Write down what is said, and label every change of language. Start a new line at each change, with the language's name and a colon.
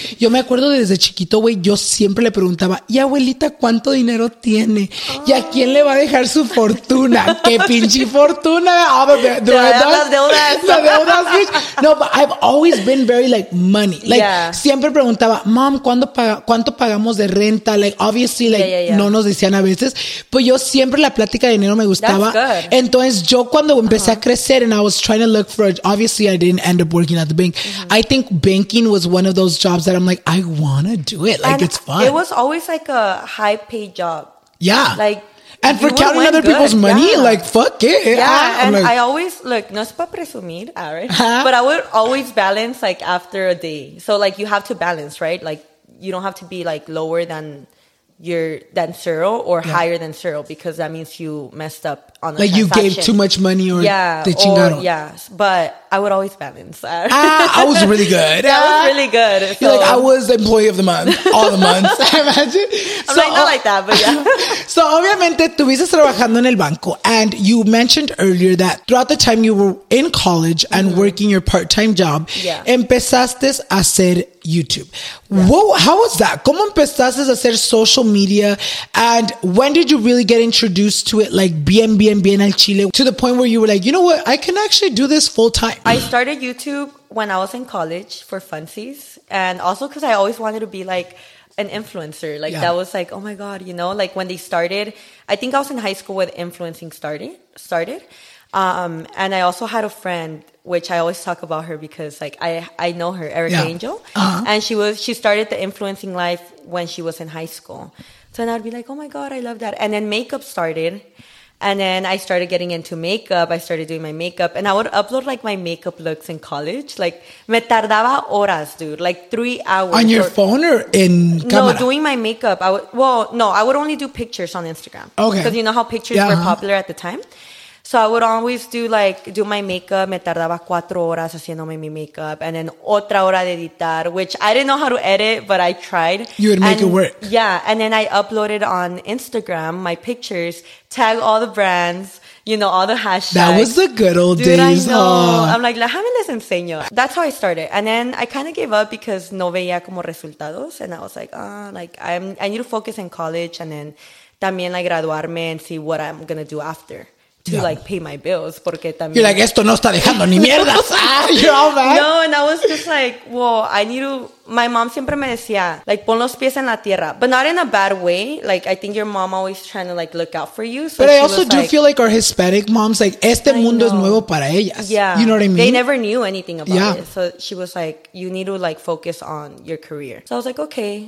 Spanish: Yo me acuerdo desde chiquito, güey, yo siempre le preguntaba, ¿y abuelita cuánto dinero tiene? ¿Y a quién le va a dejar su fortuna? ¿Qué pinche fortuna? Las deudas,
English: bitch. No, but I've always been very, like, money. Like, yeah.
Spanish: Siempre preguntaba, mom, ¿cuánto pagamos de renta?
English: Like, obviously, like, yeah.
Spanish: No nos decían a veces. Pues yo siempre la plática de dinero me gustaba.
English: Entonces,
Spanish: yo cuando empecé a crecer
English: and I was trying to look for it, obviously, I didn't end up working at the bank. Mm-hmm. I think banking was one of those jobs that I'm like, I want to do it. Like, and it's fun. It was always like a high paid job. Yeah. Like, and for counting other people's money, yeah. Like, fuck it. Yeah. And like, I always, look,
Spanish: no es para presumir,
English: Aaron, but I would always balance like after a day. So like you have to balance, right? Like you don't have to be like lower than zero or yeah. higher than zero, because that means you messed up on the transaction. Like you gave too much money or the chingado. Yeah, but I would always balance that. I was really good. Yeah, I was really good. So. You're like, I was the employee of the month, all the months, I imagine. Not like that, but yeah. So obviamente,
Spanish: tuviste trabajando en el banco,
English: and you mentioned earlier that throughout the time you were in college and mm-hmm. working your part-time job, yeah.
Spanish: empezaste a hacer YouTube.
English: Yeah. Whoa, how was that?
Spanish: ¿Cómo empezaste a hacer social media?
English: And when did you really get introduced to it, like,
Spanish: bien al chile,
English: to the point where you were like, you know what, I can actually do this full time? I started YouTube when I was in college for funsies, and also because I always wanted to be like an influencer, like yeah. that was like, oh my god, you know, like when they started, I think I was in high school with influencing started. And I also had a friend, which I always talk about her because like I know her, Erica yeah. Angel. Uh-huh. And she started the influencing life when she was in high school. So then I'd be like, oh my god, I love that. And then makeup started. And then I started getting into makeup. I started doing my makeup. And I would upload, like, my makeup looks in college. Like,
Spanish: me tardaba horas,
English: dude. Like, 3 hours. On your phone or in camera? No, doing my makeup. I would only do pictures on Instagram. Okay. Because you know how pictures yeah. were popular at the time? So I would always do my makeup.
Spanish: Me tardaba 4 horas haciéndome mi makeup.
English: And then
Spanish: otra hora de editar,
English: which I didn't know how to edit, but I tried. You would make it work. Yeah. And then I uploaded on Instagram my pictures, tag all the brands, you know, all the hashtags. That was the good old days. Dude, I know. Huh? I'm like,
Spanish: déjame les enseño.
English: That's how I started. And then I kind of gave up because
Spanish: no veía como resultados.
English: And I was like, I need to focus in college and then también like graduarme and see what I'm going to do after. To like pay my bills, porque también. You're like,
Spanish: esto no está dejando ni mierdas.
English: You're all bad. No, and I was just like, I need to. My mom siempre me decía, like,
Spanish: pon los pies en la tierra,
English: but not in a bad way. Like, I think your mom always trying to like look out for you. So but I also do feel like our Hispanic moms, like,
Spanish: este mundo es nuevo para ellas.
English: Yeah, you know what I mean. They never knew anything about yeah. it. So she was like, you need to like focus on your career. So I was like, okay.